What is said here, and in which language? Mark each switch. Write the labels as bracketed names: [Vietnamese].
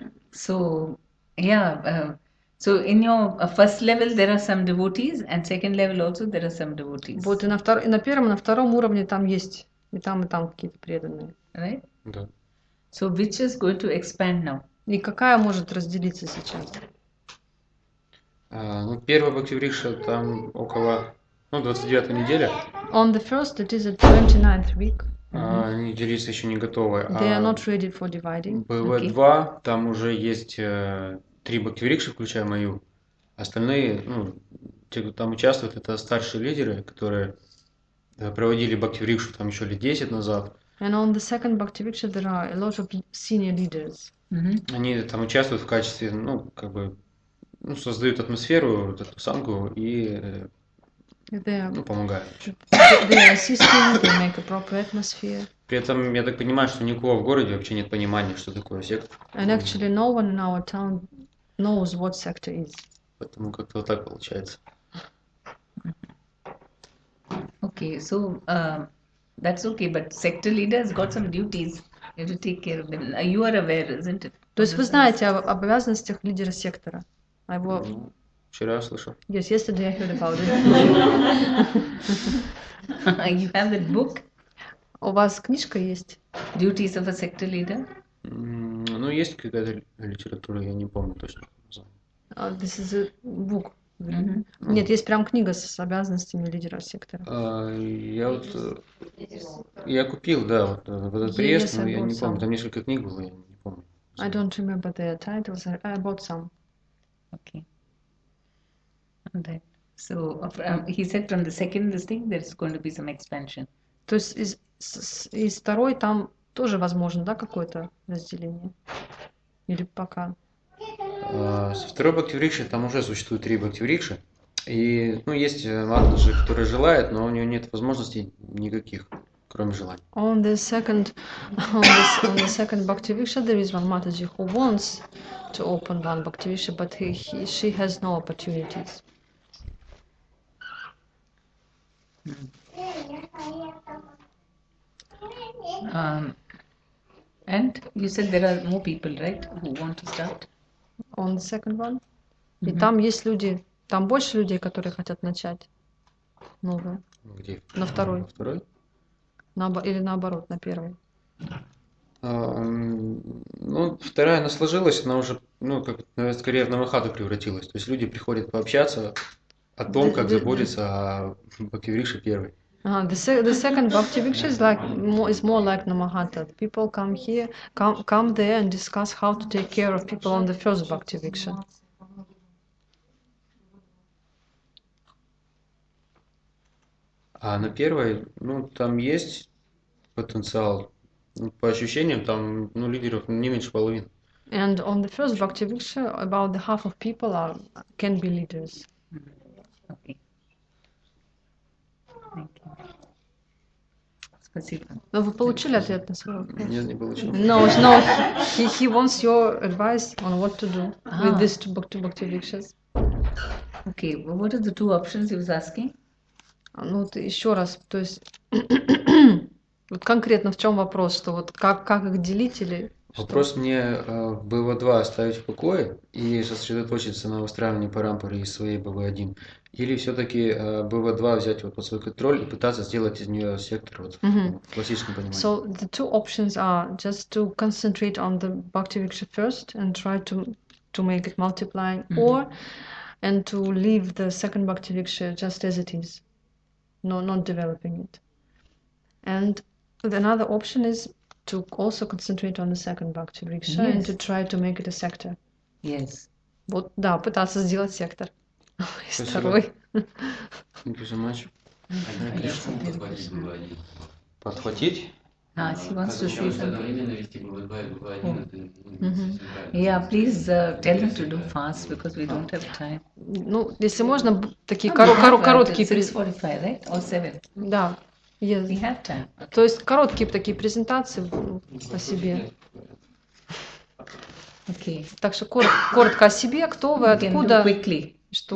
[English] So, yeah, so in your first level there are some devotees, and second level also there are some devotees. [Russian] Вот и на втор и на первом, на втором уровне там есть и там какие-то преданные. [English] Right? [Russian] Да. [English] So which is going to expand now? [Russian] И какая может разделиться сейчас? Ну, первая бхактивикша там около, ну, 29-я неделя. [English] On the first, it is the 29th week. [Russian] Они делиться еще не готовы. [English] They are not ready for dividing. [Russian] БВ-2, там уже есть три бхактивикши, включая мою. Остальные, ну, те, кто там участвует, это старшие лидеры, которые проводили бхактивикшу там еще лет 10 назад. [English] And on the second Bhakti Riksha there are a lot of senior leaders. [Russian] Они там участвуют в качестве, ну, как бы, ну, создают атмосферу, вот эту сангу, и, ну, помогают. [English] They are assisting, they make a proper atmosphere. [Russian] При этом я так понимаю, что никого в городе вообще нет понимания, что такое секта. [English] And actually no one in our town knows what sector is. [Russian] Поэтому как-то вот так получается. [English] Okay, so... That's okay, but sector leader has got some duties. You have to take care of them. You are aware, isn't it? [Russian] То есть вы знаете об обязанностях лидера сектора? А его... Вчера слышал. [English] Yes, yesterday I heard about it. You have that book? [Russian] У вас книжка есть? [English] Duties of a sector leader? [Russian] Ну, есть какая-то литература, я не помню точно. [English] This is a book. [Russian] Нет, есть прям книга с обязанностями лидера сектора. Я вот я купил, да, вот этот приезд, но я не помню, там несколько книг было, я не помню. [English] I don't remember the titles. I bought some. Okay. Then, so he said from the second listing there's going to be some expansion. [Russian] То есть из второй там тоже возможно, да, какое-то разделение или пока? Со второй бхактиврикши там уже существует три бхактиврикши. И ну, есть матаджи, которая желает, но у нее нет возможностей никаких, кроме желаний. [English] On the second, on the second bhaktiviksha there is one mataji who wants to open one bhaktiviksha, but she has no opportunities. And you said there are more people, right, who want to start? On the second one. [Russian] И там есть люди, там больше людей, которые хотят начать новое. Где? На второй. На второй? Или наоборот, на первой. Ну, вторая, она сложилась, она уже, ну, как скорее в намахаду превратилась. То есть люди приходят пообщаться о том, как заботиться о бхактивикше первой. [English] The second Bhakti Viksha is more like Namahata. People come here, come there and discuss how to take care of people on the first Bhakti Viksha. [Russian] А на первой, ну, там есть потенциал. По ощущениям, там, ну, лидеров не меньше половины. [English] And on the first Bhakti Viksha, about the half of people can be leaders. [Russian] Спасибо. Но вы получили ответ на свой вопрос? Нет, не получил. [English] No, no. He wants your advice on what to do with these two bhakti rikshas. Okay, well, what are the two options he was asking? [Russian] Ну, вот еще раз, то есть, вот конкретно в чем вопрос, что вот как их делить или... Вопрос что? Мне БВ-2 оставить в покое и сосредоточиться на устраивании парампары из своей БВ-1. Или все-таки БВ-2 взять вот под свой контроль и пытаться сделать из нее сектор вот, в классическом понимании. So the two options are just to concentrate on the Bhakti Viksha first and try to make it multiplying, or and to leave the second Bhakti Viksha just as it is, no, not developing it. And another option is to also concentrate on the second Bhakti Riksha and to try to make it a sector. Yes. Вот, да, пытаться сделать сектор. И спасибо. Второй. Спасибо. Спасибо. Спасибо. Подхватить? А, Сиван Суши. Одновременно вести БВ1, это совсем правильно. [English] Я, please, tell him to do fast, because we don't have time. [Russian] Ну, если можно, такие короткие... [English] 6:45, right? Or 7? [Russian] Да. [English] Yes. We have time. [Russian] То есть короткие такие презентации о себе. [English] Okay. [Russian] Так что коротко о себе, кто вы, откуда, что